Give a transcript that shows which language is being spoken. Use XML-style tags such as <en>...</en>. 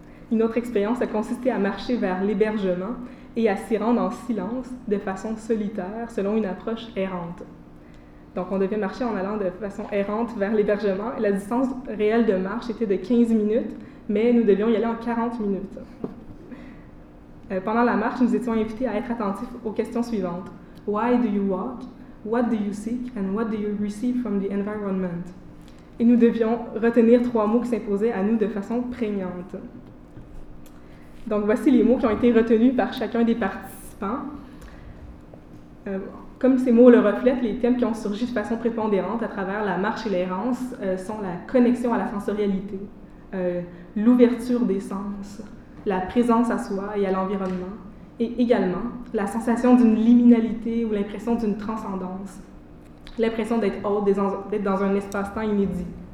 <fr>Une autre expérience a consisté à marcher vers l'hébergement et à s'y rendre en silence, de façon solitaire, selon une approche errante. Donc, on devait marcher en allant de façon errante vers l'hébergement. La distance réelle de marche était de 15 minutes, mais nous devions y aller en 40 minutes. Pendant la marche, nous étions invités à être attentifs aux questions suivantes.</fr> <en>Why do you walk? What do you seek? And what do you receive from the environment?</en> <fr>Et nous devions retenir trois mots qui s'imposaient à nous de façon prégnante. Donc, voici les mots qui ont été retenus par chacun des participants. Comme ces mots le reflètent, les thèmes qui ont surgi de façon prépondérante à travers la marche et l'errance sont la connexion à la sensorialité, l'ouverture des sens, la présence à soi et à l'environnement, et également la sensation d'une liminalité ou l'impression d'une transcendance, l'impression d'être autre, d'être dans un espace-temps inédit.</fr>